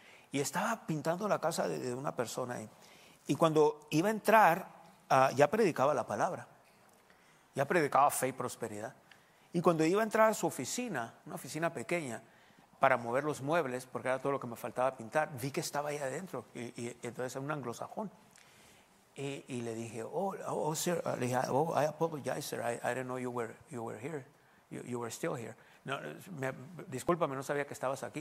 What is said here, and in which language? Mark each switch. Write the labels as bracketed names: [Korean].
[Spanish] Y estaba pintando la casa de una persona ahí. Y cuando iba a entrar, ya predicaba la palabra. Ya predicaba fe y prosperidad. Y cuando iba a entrar a su oficina, una oficina pequeña, para mover los muebles, porque era todo lo que me faltaba pintar, vi que estaba ahí adentro. Y entonces era un anglosajón. Y le dije, [English] sir, [Spanish] le dije, [English] I apologize, sir, I didn't know you were here, you were still here. [Spanish] No, discúlpame, no sabía que estabas aquí.